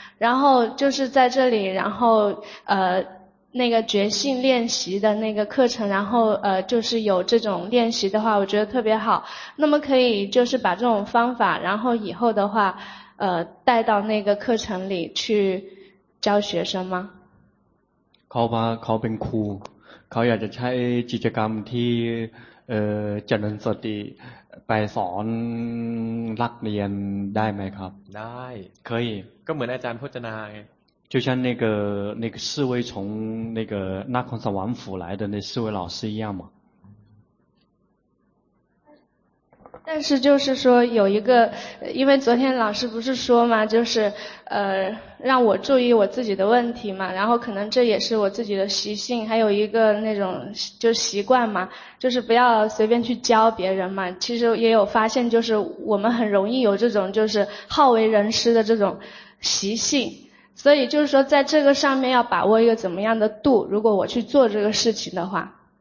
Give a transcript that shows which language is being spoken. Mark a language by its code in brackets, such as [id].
[zh] 然后就是在这里，然后那个觉性练习的那个课程，然后就是有这种练习的话，我觉得特别好。那么可以就是把这种方法，然后以后的话。带到那个课程里去教学生吗 [th] เขาเป็นครูเขาอยากจะใช้กิจกรรมที่เจริญสติไปสอนนักเรียนได้ไหมครับ ได้ [zh] 可以 [th] ก็เหมือนอาจารย์พจนาไง [zh] 就像那个四位从那个那空山王府来的那四位老师一样嘛但是就是说有一个因为昨天老师不是说嘛就是让我注意我自己的问题嘛然后可能这也是我自己的习性还有一个那种就习惯嘛就是不要随便去教别人嘛其实也有发现就是我们很容易有这种就是好为人师的这种习性所以就是说在这个上面要把握一个怎么样的度如果我去做这个事情的话